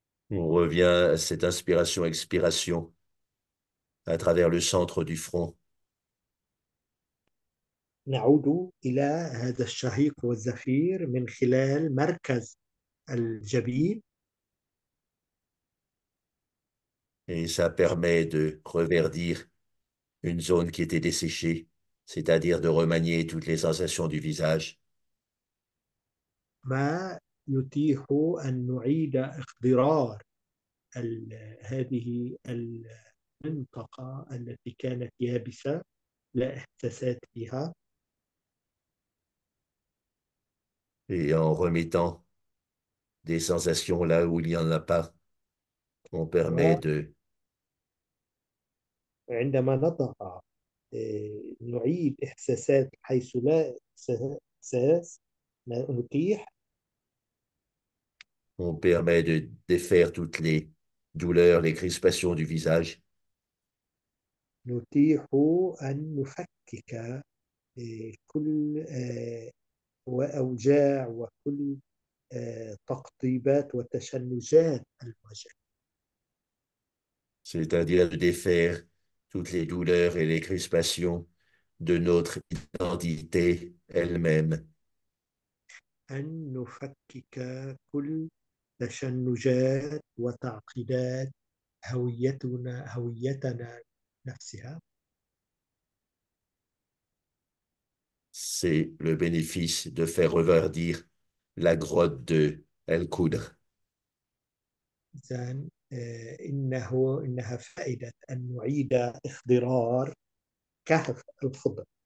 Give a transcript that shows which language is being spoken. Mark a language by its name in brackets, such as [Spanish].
[French] On revient à cette inspiration-expiration à travers le centre du front. [Arabic] نعود إلى هذا الشهيق والزفير من خلال مركز الجبين. [French] Et ça permet de reverdir une zone qui était desséchée, c'est-à-dire de remanier toutes les sensations du visage. [Arabic] ما يتيح أن نعيد اخضرار هذه المنطقة التي كانت يابسة لا احساسات فيها. [French] Et en remettant des sensations là où il n'y en a pas, on permet de... [Arabic] وعندما نضع نعيد إحساسات حيث لا إحساس نتيح [French] On permet de défaire toutes les douleurs, les crispations du visage. [Arabic] نتيح أن نفكك كل وأوجاع وكل تقطيبات وتشنجات الوجه. [French] C'est-à-dire de défaire toutes les douleurs et les crispations de notre identité elle-même. [Arabic] أن نفكك كل تشنجات وتعقيدات هويتنا نفسها. [French] C'est le bénéfice de faire reverdir la grotte de El Koudr. [Arabic] إذن إنها فائدة أن نعيد إخضرار كهف الخضر.